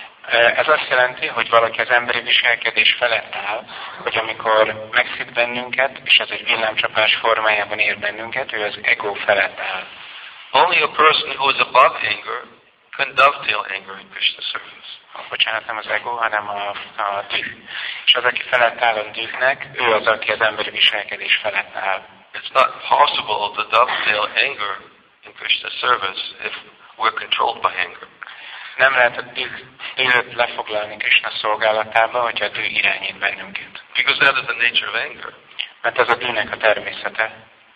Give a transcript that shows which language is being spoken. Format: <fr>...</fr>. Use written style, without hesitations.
<hu>Ez azt jelenti, hogy valaki az emberi viselkedés felett áll, hogy amikor megszít bennünket, és ez egy villámcsapás formájában ér bennünket, ő az ego felett áll.</hu> <en>Only a person who is above anger can dovetail anger in Krishna service.</en> <hu>Bocsánat, nem az ego, hanem a düh. És az, aki felett áll a dühnek, ő az, aki az emberi viselkedés felett áll.</hu> <en>It's not possible to dovetail anger in Krishna service if we're controlled by anger.</en> <hu>Nem lehet a dühöt lefoglalni Krishna szolgálatába, hogyha a düh irányít bennünket.</hu> <en>Because that is the nature of anger.</en> <hu>Mert ez a dühnek a természete.</hu>